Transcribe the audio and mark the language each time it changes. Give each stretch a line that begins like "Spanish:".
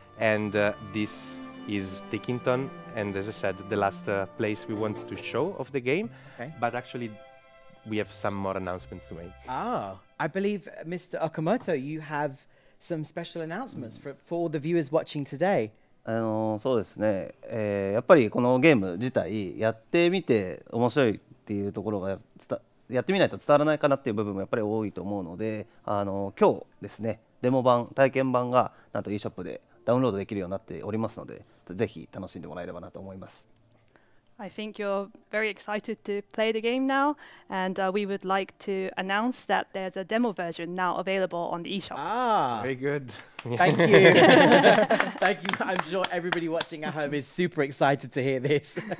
English: And this is Tickington, and as I said, the last place we wanted to show of the game. Okay. But actually, we have some more announcements to make. Ah, I believe, Mr. Okamoto, you have some special announcements for all the viewers watching today.
Japanese: そうですね。やっぱりこのゲーム自体やってみて面白いっていうところがやってみないと伝わらないかなっていう部分もやっぱり多いと思うので、今日ですね、デモ版、体験版がなんと eShop でダウンロードできるようになっておりますので、ぜひ楽しんでもらえればなと思います。
English: I think you're very excited to play the game now, and we would like to announce that there's a demo version now available on the eShop. Ah, very good. Thank you. Thank you. I'm sure everybody watching at home is super excited to hear this.